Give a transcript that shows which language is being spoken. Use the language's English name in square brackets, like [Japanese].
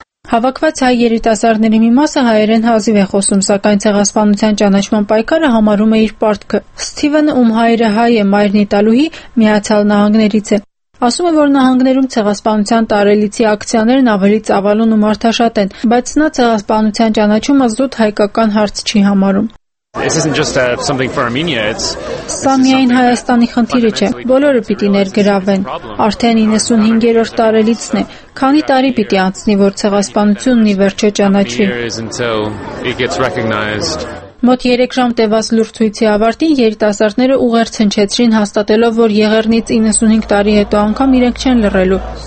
[Armenian] Հավաքված հայ երիտասարդների մի մասը հայերեն հազիվ է խոսում, սակայն ցեղասպանության ճանաչման պայքարը համարում է իր պարտքը։ Սթիվենը, ում հայրը հայ է, մայրն իտալուհի, Միացյալ Նահանգներից է։ Ասում է, որ նահանգներում ցեղասպանության տարելիցի ակցիաներն ավելի ծավալուն ու մարդաշատ են, բայց նա ցեղասպանության ճանաչումը զուտ հայկական հարց չի համարում։ [English] This isn't just something for Armenia, it's [Armenian] Սամյայն Հայաստանի խնդիրը չէ, բոլորը պիտի ներգրավեն, արդեն 95-րդ տարելիցն է, քանի տարի պիտի անցնի, որ ցեղասպանությունն ի վերջո ճանաչի։ Մոտ 3 ժամ տևած լուրջ ցույցի ավարտին երիտասարդները ուղերձ հնչեցրին, հաստատելով, որ եղեռնից 95 տարի հետո անգամ իրենք չեն լռելու